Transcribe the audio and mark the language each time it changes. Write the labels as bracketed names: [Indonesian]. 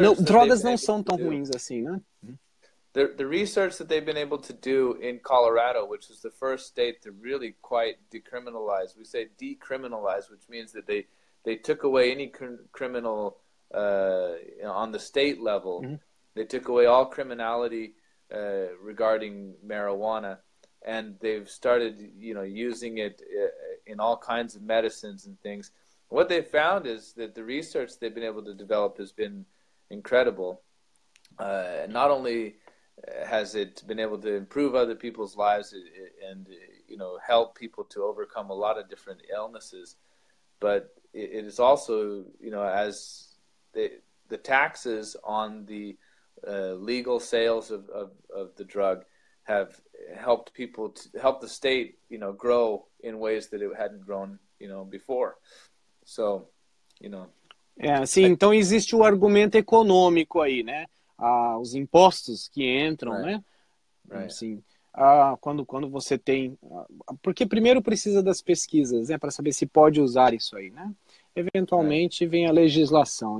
[Portuguese] não, drogas não são tão ruins assim, né? [English] The research that they've been able to do in Colorado, which is the first state to really quite decriminalize, we say decriminalize, which means that they took away any criminal on the state level. Mm-hmm. They took away all criminality regarding marijuana, and they've started, you know, using it in all kinds of medicines and things. What they found is that the research they've been able to develop has been incredible. Not only has it been able to improve other people's lives and you know, help people to overcome a lot of different illnesses. But it is also, you know, as the taxes on the legal sales of the drug have helped people to help the state, you know, grow in ways that it hadn't grown, you know, before. So, you know. [Portuguese] É, sim, então existe o argumento econômico aí, né? Ah, os impostos que entram, [English] right. [Portuguese] né? [English] Right. [Portuguese] Sim. Ah, quando você tem... Porque primeiro precisa das pesquisas, né? Para saber se pode usar isso aí, né? Eventualmente right. vem a legislação.